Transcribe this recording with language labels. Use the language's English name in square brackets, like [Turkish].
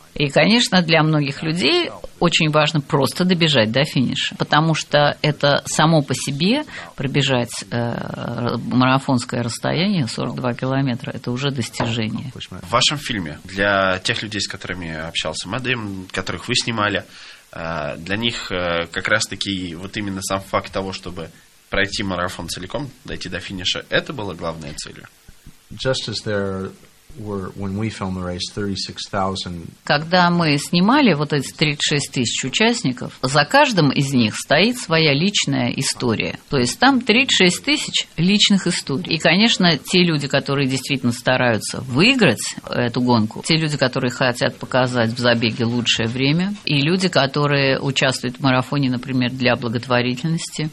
[Russian] И, конечно, для многих людей очень важно просто добежать до финиша, потому что это само по себе пробежать марафонское расстояние, 42 километра, это уже достижение. В вашем фильме для тех людей, с которыми общался Мадем, которых вы снимали, для них как раз-таки вот именно сам факт того, чтобы пройти марафон целиком, дойти до финиша, это было главной целью? [English] Just as there were when we filmed the race 36,000. [Russian] Когда мы снимали вот эти 36 тысяч участников, за каждым из них стоит своя личная история. То есть там 36 тысяч личных историй. И, конечно, те люди, которые действительно стараются выиграть эту гонку, те люди, которые хотят показать в забеге лучшее время, и люди, которые участвуют в марафоне, например, для благотворительности.